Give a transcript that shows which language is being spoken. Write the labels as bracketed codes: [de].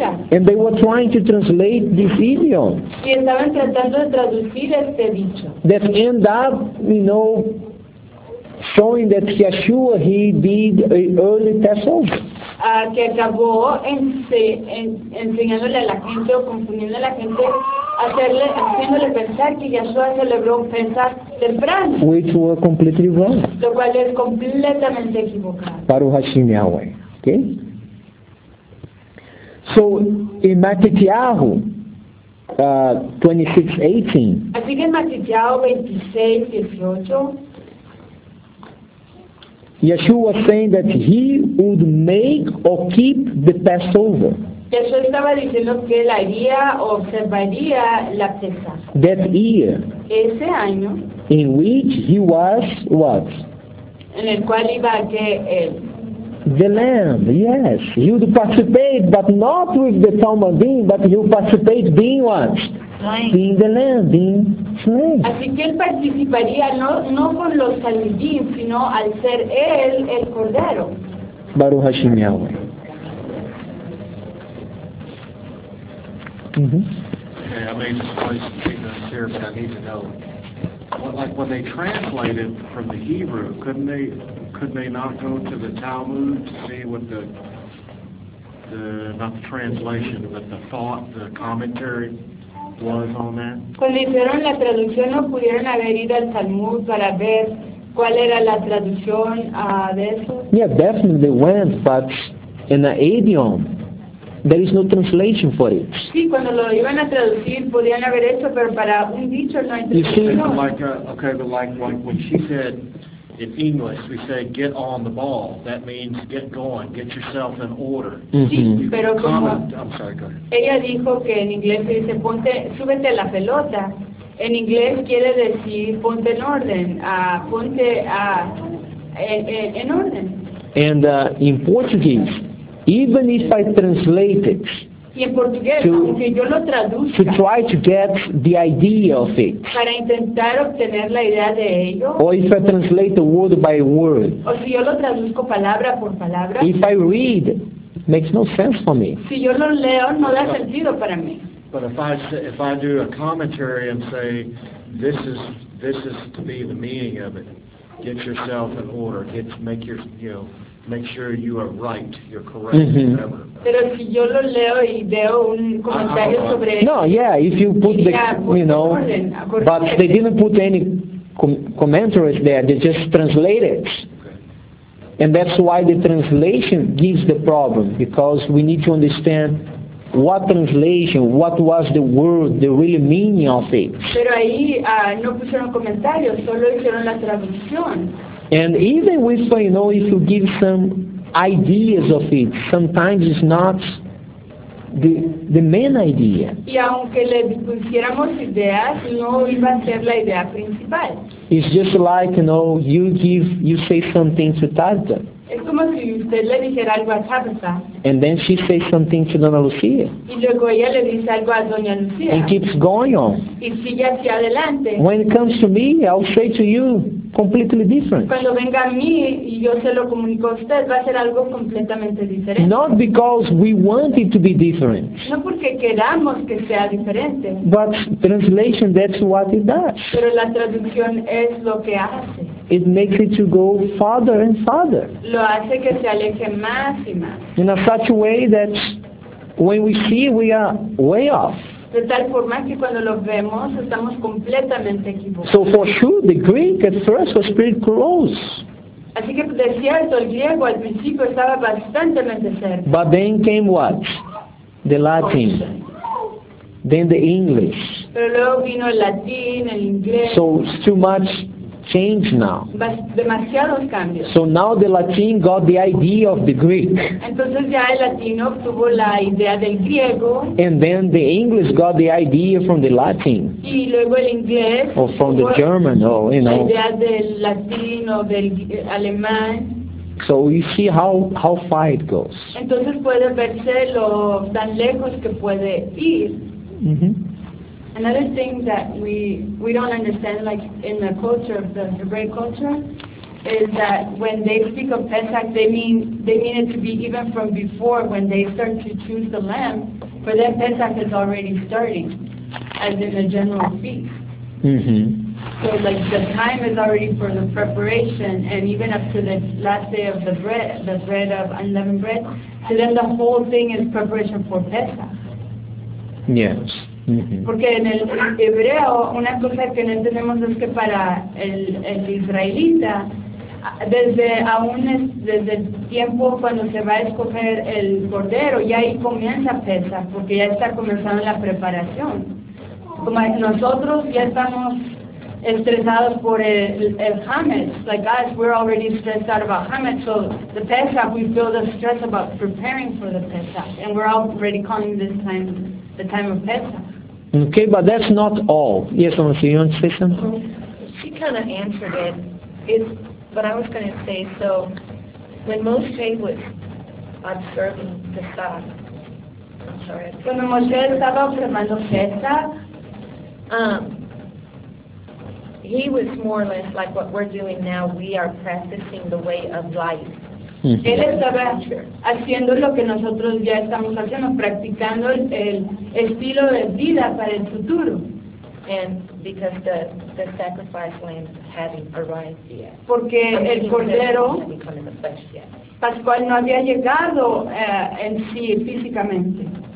[en] And they were trying to translate this idiom. That end up, you know, showing that Yeshua, he did an early Passover. [es] Que acabó enseñándole a la gente o confundiendo a la gente, haciéndole pensar que Yeshua celebró un Pesach temprano. [en] Which was completely wrong. [es] Lo cual es completamente equivocado. Para Hashem Yahweh. Okay? [en] So, in Matityahu 26:18. [es] Así que en Matityahu 26:18. [en] Yeshua was saying that he would make or keep the Passover. [es] Yeshua estaba diciendo que él haría o observaría la Pesa. [en] That year. [es] Ese año. [en] In which he was what? [es] En el cual iba a que él. [en] The lamb, yes. He would participate, but not with the Talmud being, but he would participate being what? Being the lamb, being slain. [es] Así que él participaría no con los saludín, sino al ser él el cordero. [he] Baruch Hashem Yahweh. [en] Okay, I may just place some statements here, but I need to know. What, like when they translated from the Hebrew, couldn't they not go to the Talmud to see what the not the translation, but the thought, the commentary? [es] Cuando hicieron la traducción, no pudieron haber ido al Talmud para ver cuál era la traducción de eso. [en] Yeah, definitely went, but in the idiom, there is no translation for it. [es] Sí, cuando lo iban a traducir, podían haber hecho, pero para un dicho no hay traducción. [en] You see, like when she said in English, we say get on the ball. That means get going, get yourself in order. [es] Mm-hmm. Sí, pero como [en] I'm sorry, go ahead. [es] Ella dijo que en inglés se dice ponte, súbete a la pelota. En inglés quiere decir ponte en orden, ponte en orden. [en] And in Portuguese, even if I translate it, [es] y en portugués, aunque yo lo traduzca, [en] to try to get the idea of it. [es] Para intentar obtener la idea de ello. [en] Or if I translate the word by word. [es] O si yo lo traduzco palabra por palabra. [en] If I read, makes no sense for me. [es] Si yo lo leo, no da sentido para mí. [en] But if I do a commentary and say, this is to be the meaning of it. Get yourself in order. Make sure you are right. You're correct. Mm-hmm. [es] Pero si yo lo leo y veo un comentario sobre [en] no, yeah, if you put the, you know, but they didn't put any commentaries there, they just translated. And that's why the translation gives the problem, because we need to understand what translation, what was the word, the real meaning of it. [es] Pero ahí no pusieron comentarios, solo hicieron la traducción. [en] And even with, you know, if you give some ideas of it, sometimes it's not the main idea. [es] Y aunque le pusiéramos ideas, no iba a ser la idea principal. [en] It's just like, you know, you say something to Tabitha. [es] Es como si usted le dijera algo a Tabitha. [en] And then she says something to Donna Lucia. [es] Y luego ella le dice algo a Doña Lucia. [en] And keeps going on. [es] Y sigue hacia adelante. [en] When it comes to me, I'll say to you completely different. [es] Cuando venga a mí y yo se lo comunico a usted, va a ser algo completamente diferente. [en] Not because we want it to be different. [es] No porque queramos que sea diferente. [en] But translation, that's what it does. [es] Pero la traducción es lo que hace. [en] It makes it to go farther and farther. [es] Lo hace que se aleje más y más. [en] In a such a way that when we see, we are way off. [es] De tal forma que cuando lo vemos, estamos completamente equivocados. [en] So for sure, the Greek at first was pretty close. [es] Así que de cierto, el griego al principio estaba bastante cerca. [en] But then came what? The Latin. Then the English. [es] Pero luego vino el latín, el inglés. [en] So it's too much change now. [es] Demasiados cambios. [en] So now the Latin got the idea of the Greek. [es] Entonces ya el latino obtuvo la idea del griego. [en] And then the English got the idea from the Latin. [es] Y luego el inglés. [en] Or from the German, or you know. [es] La idea del latín o del alemán. [en] So you see how far it goes. [es] Entonces puede verse lo tan lejos que puede ir. [en] Another thing that we don't understand, like in the culture, the Hebraic culture, is that when they speak of Pesach, they mean it to be even from before, when they start to choose the lamb. For them, Pesach is already starting, as in a general feast. Mm-hmm. So like the time is already for the preparation, and even up to the last day of the bread of unleavened bread, to them the whole thing is preparation for Pesach. Yes. [es] Porque en el hebreo, una cosa que no entendemos es que para el israelita, desde el tiempo cuando se va a escoger el cordero, ya ahí comienza Pesach, porque ya está comenzando la preparación. Como nosotros ya estamos estresados por el hametz, [en] like us, we're already stressed out about hametz, so the Pesach, we feel the stress about preparing for the Pesach, and we're already calling this time the time of Pesach. Okay, but that's not all. Yes, I want to see you on system. She kind of answered it. It's, but I was going to say, so when Moshe was observing the Pesach, I'm sorry. When [es] Moshe estaba observando Pesach, [en] he was more or less like what we're doing now. We are practicing the way of life. [es] Él estaba haciendo lo que nosotros ya estamos haciendo, practicando el estilo de vida para el futuro. [en] And because the sacrifice lamb hadn't arrived yet. [es] Porque el cordero pascual no había llegado en sí físicamente.